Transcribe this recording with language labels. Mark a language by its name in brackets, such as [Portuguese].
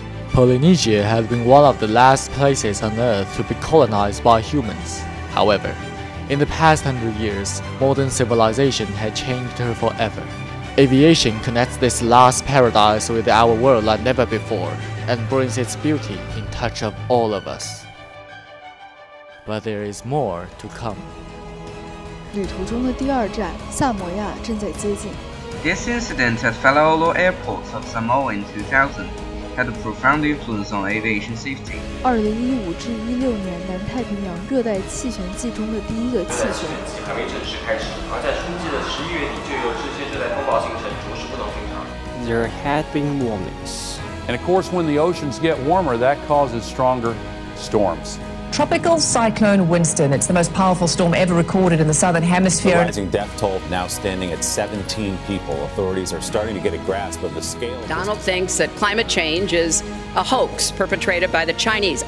[English] Polynesia has been one of the last places on Earth to be colonized by humans. However, in the past 100 years, modern civilization had changed her forever. Aviation connects this last paradise with our world like never before, and brings its beauty in touch of all of us. But there is more to come. [Chinese] 旅途中的第二站，萨摩亚正在接近。 [English] This incident at Falaolo Airport of Samoa in 2000. Had a profound influence on aviation safety. [Chinese] 2015-16年南太平洋热带气旋季中的第一个气旋。还没正式开始，而在春季的11月底就有这些热带风暴形成，着实不能平常。 [English] There had been warmings, and of course, when the oceans get warmer, that causes stronger storms. Tropical cyclone Winston. It's the most powerful storm ever recorded in the southern hemisphere. The rising death toll now standing at 17 people. Authorities are starting to get a grasp of the scale. Donald thinks that climate change is a hoax perpetrated by the Chinese.